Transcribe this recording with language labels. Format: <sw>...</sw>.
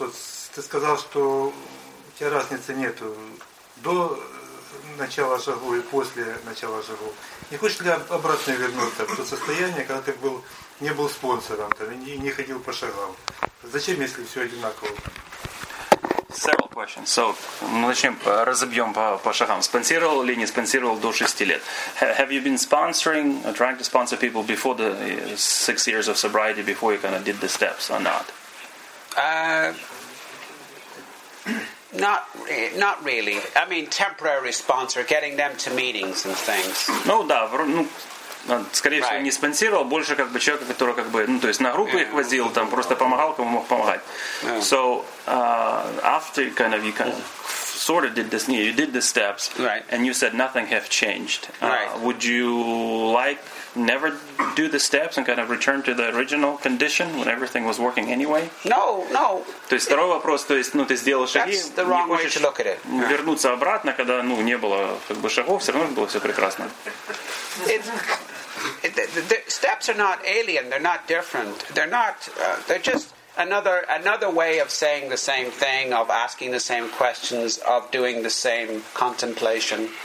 <ru>Вот ты сказал, что у тебя разницы нету до начала шагу и после начала шагу. Не хочешь ли обратно вернуться в то состояние, когда ты был, не был спонсором там, и не ходил по шагам? Зачем, если все одинаково?</ru> <en>Several questions.</en> <ru>So, мы начнем, разобьем по шагам. Спонсировал или не спонсировал до 6 лет?</ru> <en>Have you been sponsoring, or trying to sponsor people before the 6 years of sobriety, before you kind of did the steps or not? Not really. I mean, temporary sponsor, getting them to meetings and things.</en> <ru>Ну да, ну, скорее всего, не спонсировал, больше как бы человека, который как бы, ну то есть на группу их возил, там просто помогал, кому мог помогать.</ru> <en>So, after you kind of sort of did this, you did the steps, right. And you said nothing have changed. Right. Would you like never do the steps and kind of return to the original condition when everything was working anyway? No.</en> <ru>То есть второй вопрос, то есть, ну, ты сделал шаги,</ru> <en>that's the wrong way to look at it.</en> <ru>Вернуться обратно, когда, ну, не было как бы шагов, все равно было все прекрасно.</ru> <en>The steps are not alien, they're not different. They're not, they're just another way of saying the same thing, of asking the same questions, of doing the same contemplation.</en>